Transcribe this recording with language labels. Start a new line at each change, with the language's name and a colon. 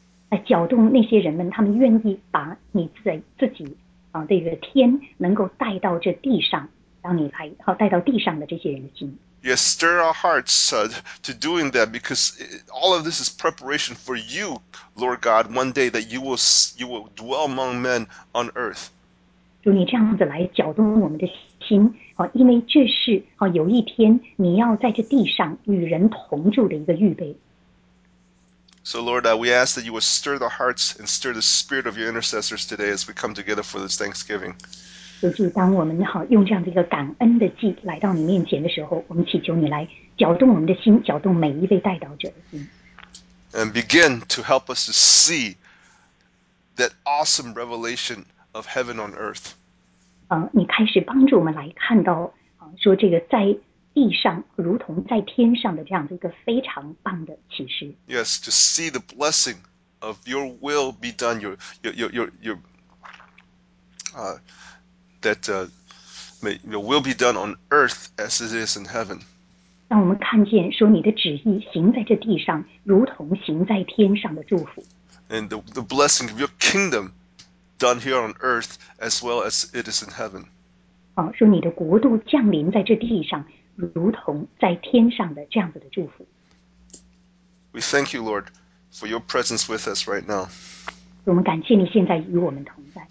Chinese: 来搅动那些人们，他们愿意把你自己这个天能够带到这地上，让你来带到地上的这些人的心。
English: Yes, stir our hearts to doing that, because all of this is preparation for you, Lord God, one day that you will dwell among men on earth.
Chinese: 主，你这样子来搅动我们的心，因为这是有一天你要在这地上与人同住的一个预备。
English: So Lord, we ask that you will stir the hearts and stir the spirit of your intercessors today as we come together for this Thanksgiving.
Chinese: 就是当我们用这样的一个感恩的祭来到你面前的时候，我们祈求你来搅动我们的心，搅动每一位代祷者的心。
English: And begin to help us to see that awesome revelation of heaven on earth.
Chinese: 你开始帮助我们来看到，说这个在地上如同在天上的这样的一个非常棒的启示。
English: Yes, to see the blessing of your will be done, your will be done on earth as it is in heaven.
Chinese: 让我们看见说你的旨意行在这地上，如同行在天上的祝福。
English: And the blessing of your kingdom done here on earth as well as it is in heaven.
Chinese: 说你的国度降临在这地上，如同在天上的这样子的祝福。
English: We thank you, Lord, for your presence with us right now.
Chinese: 我们感谢你现在与我们同在。